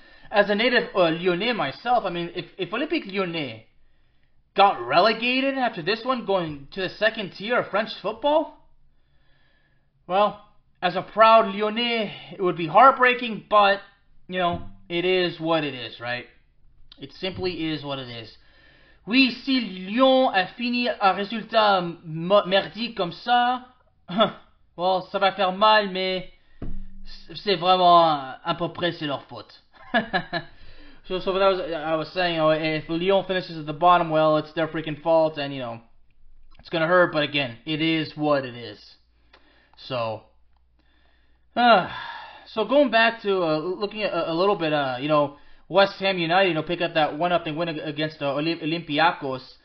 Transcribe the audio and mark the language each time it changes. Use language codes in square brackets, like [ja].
[en] As a native Lyonnais myself, I mean, if Olympique Lyonnais got relegated after this one, going to the second tier of French football, well, as a proud Lyonnais, it would be heartbreaking, but, you know, it is what it is, right? It simply is what it is. [fr] Oui, si Lyon a fini un résultat merdique comme ça, well, ça va faire mal, mais c'est vraiment à peu près c'est leur faute. [en] So that was, I was saying, you know, if Lyon finishes at the bottom, well, it's their freaking fault, and you know, it's gonna hurt, but again, it is what it is. So going back to looking at a little bit, you know, West Ham United, you know, pick up that 1-0 win against Olympiacos.